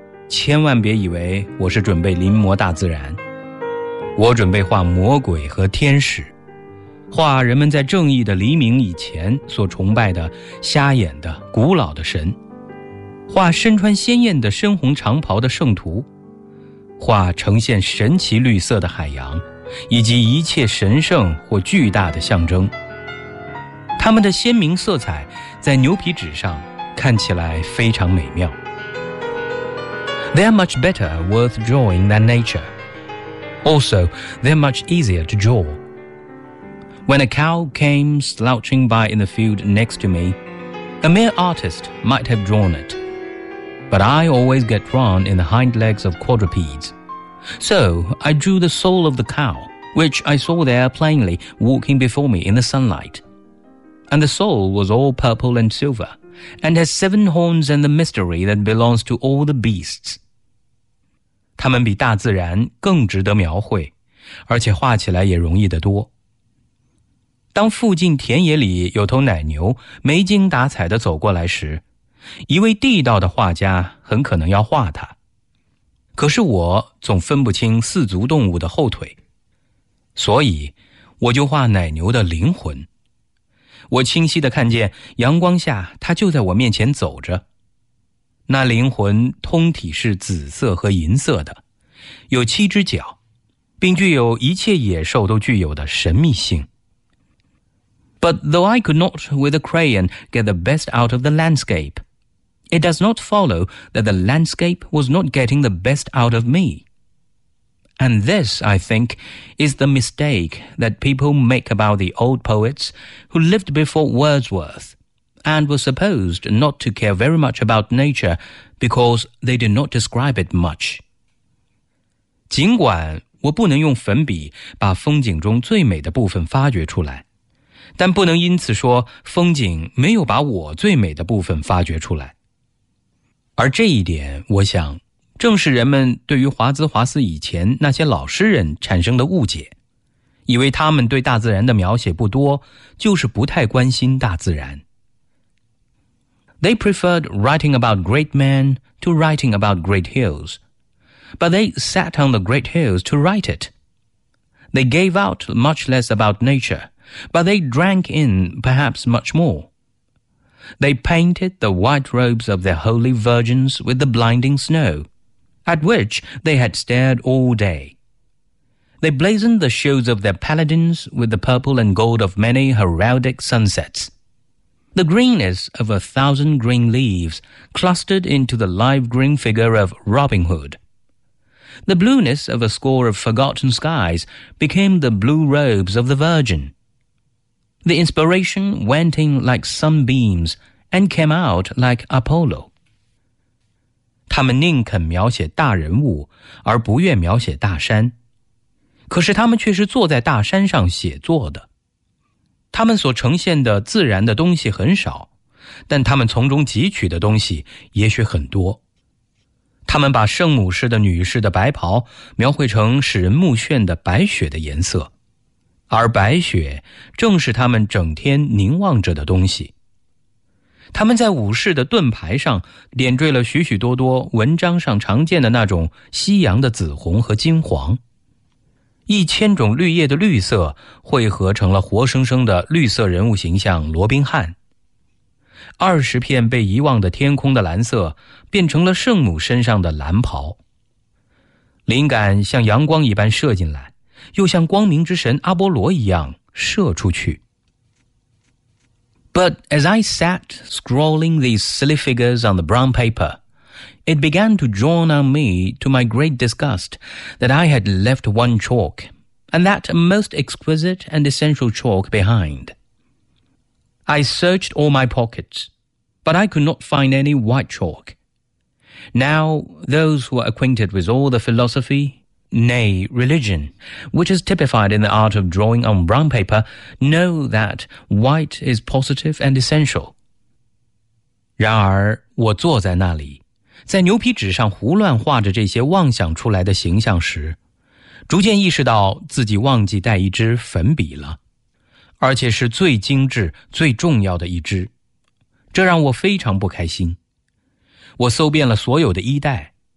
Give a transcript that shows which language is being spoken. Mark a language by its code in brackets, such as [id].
[zh] 千万别以为我是准备临摹大自然，我准备画魔鬼和天使，画人们在正义的黎明以前所崇拜的瞎眼的古老的神，画身穿鲜艳的深红长袍的圣徒，画呈现神奇绿色的海洋，以及一切神圣或巨大的象征。它们的鲜明色彩在牛皮纸上看起来非常美妙。 [en] They are much better worth drawing than nature. Also, they are much easier to draw. When a cow came slouching by in the field next to me, a mere artist might have drawn it. But I always get drawn in the hind legs of quadrupeds. So I drew the soul of the cow, which I saw there plainly walking before me in the sunlight. And the soul was all purple and silver, and has seven horns and the mystery that belongs to all the beasts. [zh] 它们比大自然更值得描绘，而且画起来也容易得多。当附近田野里有头奶牛没精打采地走过来时，一位地道的画家很可能要画它。可是我总分不清四足动物的后腿，所以我就画奶牛的灵魂。我清晰地看见阳光下它就在我面前走着，那灵魂通体是紫色和银色的，有七只脚，并具有一切野兽都具有的神秘性。 [en] But though I could not with a crayon get the best out of the landscape, it does not follow that the landscape was not getting the best out of me. And this, I think, is the mistake that people make about the old poets who lived before Wordsworth. And were supposed not to care very much about nature because they did not describe it much. [zh] 尽管我不能用粉笔把风景中最美的部分发掘出来，但不能因此说风景没有把我最美的部分发掘出来。而这一点，我想，正是人们对于华兹华斯以前那些老诗人产生的误解，以为他们对大自然的描写不多，就是不太关心大自然。 [en] They preferred writing about great men to writing about great hills, but they sat on the great hills to write it. They gave out much less about nature, but they drank in perhaps much more. They painted the white robes of their holy virgins with the blinding snow, at which they had stared all day. They blazoned the shields of their paladins with the purple and gold of many heraldic sunsets. The greenness of a thousand green leaves clustered into the live green figure of Robin Hood. The blueness of a score of forgotten skies became the blue robes of the Virgin. The inspiration went in like sunbeams and came out like Apollo. [zh] 他们宁肯描写大人物而不愿描写大山，可是他们却是坐在大山上写作的。他们所呈现的自然的东西很少，但他们从中汲取的东西也许很多。他们把圣母式的女士的白袍描绘成使人目眩的白雪的颜色，而白雪正是他们整天凝望着的东西。他们在武士的盾牌上点缀了许许多多文章上常见的那种夕阳的紫红和金黄。一千种绿叶的绿色汇合成了活生生的绿色人物形象罗宾汉。二十片被遗忘的天空的蓝色变成了圣母身上的蓝袍。灵感像阳光一般射进来，又像光明之神阿波罗一样射出去。 [en] But as I sat scrawling these silly figures on the brown paper,It began to dawn on me, to my great disgust, that I had left one chalk, and that most exquisite and essential chalk behind. I searched all my pockets, but I could not find any white chalk. Now, those who are acquainted with all the philosophy, nay, religion, which is typified in the art of drawing on brown paper, know that white is positive and essential. [zh] 然而，我坐在那里。在牛皮纸上胡乱画着这些妄想出来的形象时，逐渐意识到自己忘记带一支粉笔了，而且是最精致最重要的一支，这让我非常不开心。我搜遍了所有的衣袋，